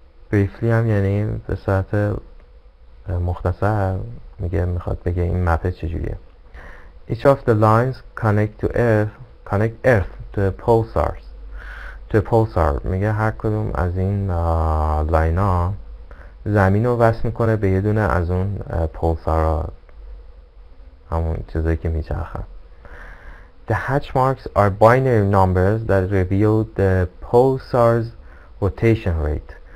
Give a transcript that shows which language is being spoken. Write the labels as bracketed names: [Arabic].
[Persian] بریفلی هم یعنی به صورت مختصر میگه، میخواد بگه این مپه چجوریه. [English] Each of the lines connect Earth to pulsars. [Persian] To pulsar میگه هر کدوم از این لاین ها زمین رو وصل میکنه به یه دونه از اون پولسار ها، همون چیزایی که میچرخن. [English] The hatch marks are binary numbers that reveal the pulsar's rotation rate.